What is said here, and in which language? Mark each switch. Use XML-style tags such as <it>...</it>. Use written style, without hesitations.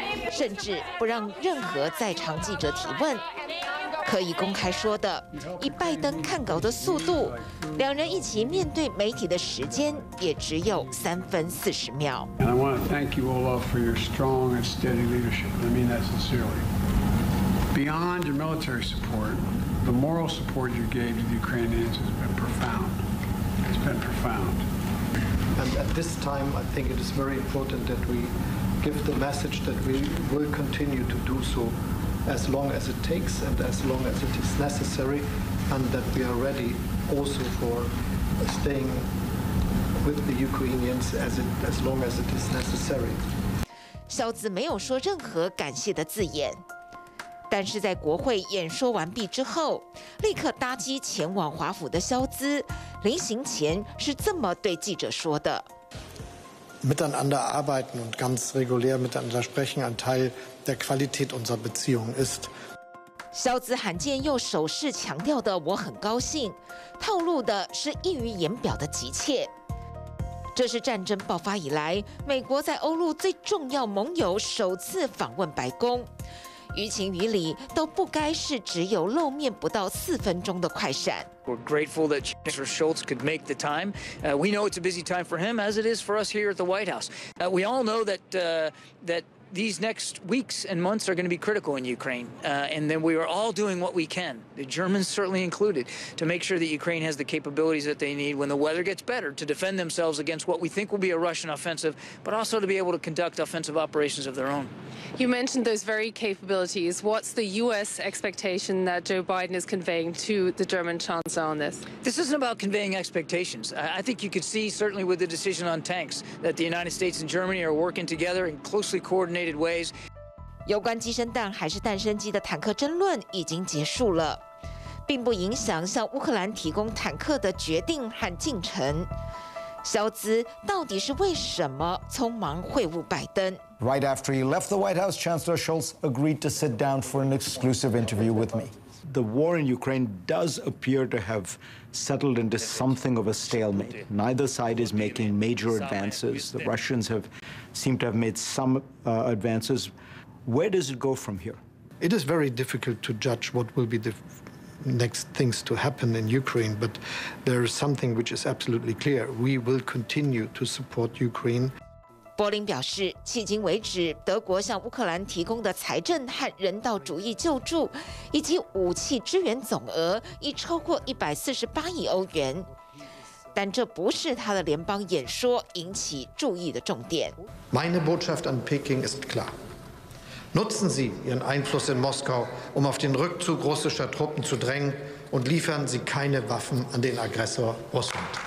<zh>甚至不让任何在场记者提问，可以公开说的，以拜登看稿的速度，两人一起面对媒体的时间也只有3分40秒。</zh> <en>And I want to thank you all for your strong and steady leadership. I mean that sincerely. Beyond your military support, the moral support you gave to the Ukrainians has been profound. It's been profound. And at this time, I think it is very important that we. Give the message that we will continue to do so as long as it takes and as long as it is necessary, and that we are ready also for staying with the Ukrainians as long as it is necessary.</en> <zh>肖兹没有说任何感谢的字眼，但是在国会演说完毕之后，立刻搭机前往华府的肖兹，临行前是这么对记者说的。</zh> <de>Miteinander arbeiten und ganz regulär miteinander sprechen, ein Teil der Qualität unserer Beziehung ist.</de> <zh>肖兹罕见又首次强调的我很高兴，透露的是溢于言表的急切。这是战争爆发以来美国在欧陆最重要盟友首次访问白宫，于情于理都不该是只有露面不到四分钟的快闪。</zh> <en>We're grateful that Chancellor Schultz could make the time. We know it's a busy time for him, as it is for us here at the White House. We all know that that these next weeks and months are going to be critical in Ukraine. And then we are all doing what we can, the Germans certainly included, to make sure that Ukraine has the capabilities that they need when the weather gets better to defend themselves against what we think will be a Russian offensive, but also to be able to conduct offensive operations of their own. You mentioned those very capabilities. What's the U.S. expectation that Joe Biden is conveying to the German Chancellor? On this. This isn't about conveying expectations. I think you could see, certainly with the decision on tanks, that the United States and Germany are working together in closely coordinated ways.</en> <zh>有关鸡生蛋还是蛋生鸡的坦克争论已经结束了，并不影响向乌克兰提供坦克的决定和进程。肖兹到底是为什么匆忙会晤拜登？</zh> <en>Right after he left the White House, Chancellor Schultz agreed to sit down for an exclusive interview with me. The war in Ukraine does appear to have settled into something of a stalemate. Neither side is making major advances. The Russians have seemed to have made some advances. Where does it go from here? It is very difficult to judge what will be the next things to happen in Ukraine, but there is something which is absolutely clear. We will continue to support Ukraine.</en> <zh>柏林表示，迄今为止，德国向乌克兰提供的财政和人道主义救助以及武器支援总额已超过148亿欧元。但这不是他的联邦演说引起注意的重点。</zh> <de>Meine Botschaft an Peking ist klar: Nutzen Sie Ihren Einfluss in Moskau, um auf den Rückzug russischer Truppen zu drängen, und liefern Sie keine Waffen an den Aggressor Russland.</de>